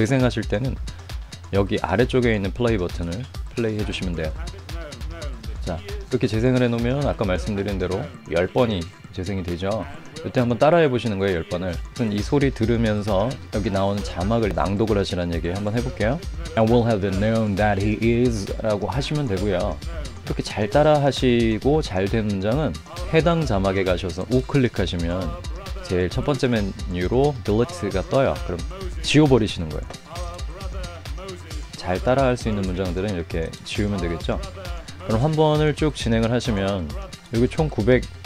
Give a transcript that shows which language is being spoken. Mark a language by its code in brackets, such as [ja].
[ko] 재생하실 때는 여기 아래쪽에 있는 플레이 버튼을 플레이 해주시면 돼요. 자, 이렇게 재생을 해놓으면 아까 말씀드린 대로 10번이 재생이 되죠. 이때 한번 따라해 보시는 거예요, 10번을. 이 소리 들으면서 여기 나오는 자막을 낭독을 하시라는 얘기 한번 해볼게요. [en] I will have known that he is [ko] 라고 하시면 되고요. 이렇게 잘 따라 하시고 잘된 문장은 해당 자막에 가셔서 우클릭하시면 제일 첫 번째 메뉴로 Delete가 떠요. 그럼 지워버리시는 거예요. 잘 따라 할수 있는 문장들은 이렇게 지우면 되겠죠. 그럼 한 번을 쭉 진행을 하시면, 여기 총952문장이에요.